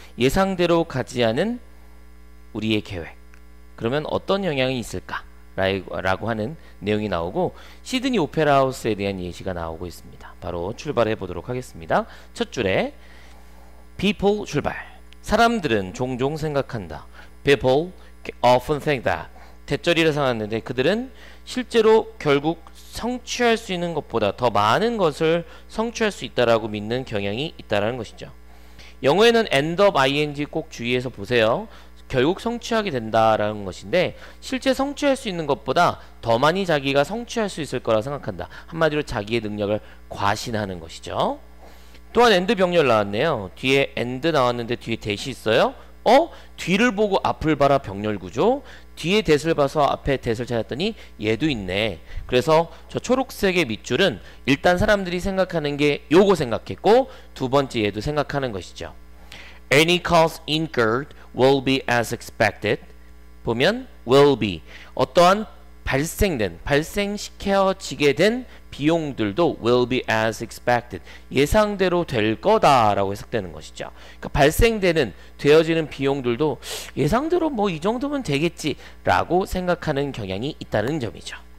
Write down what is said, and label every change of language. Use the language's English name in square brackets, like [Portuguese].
[Korean] 예상대로 가지 않은 우리의 계획, 그러면 어떤 영향이 있을까? 라고 하는 내용이 나오고 시드니 오페라하우스에 대한 예시가 나오고 있습니다. 바로 출발해 보도록 하겠습니다. 첫 줄에 People 출발. 사람들은 종종 생각한다. [English] People often think that. [Korean] 대절이라 생각하는데 그들은 실제로 결국 성취할 수 있는 것보다 더 많은 것을 성취할 수 있다라고 믿는 경향이 있다라는 것이죠. 영어에는 end of ing 꼭 주의해서 보세요. 결국 성취하게 된다라는 것인데 실제 성취할 수 있는 것보다 더 많이 자기가 성취할 수 있을 거라 생각한다. 한마디로 자기의 능력을 과신하는 것이죠. 또한 end 병렬 나왔네요. 뒤에 end 나왔는데 뒤에 대시 있어요. 어? 뒤를 보고 앞을 봐라 병렬구조. 뒤에 that을 봐서 앞에 that을 찾았더니 얘도 있네. 그래서 저 초록색의 밑줄은 일단 사람들이 생각하는 게 요거 생각했고 두 번째 얘도 생각하는 것이죠. [English] Any cost incurred will be as expected. [Korean] 보면 will be 어떠한 발생시켜지게 된 비용들도 [English] will be as expected [Korean] 예상대로 될 거다 라고 해석되는 것이죠. 그러니까 발생되는 되어지는 비용들도 예상대로 뭐 이 정도면 되겠지 라고 생각하는 경향이 있다는 점이죠.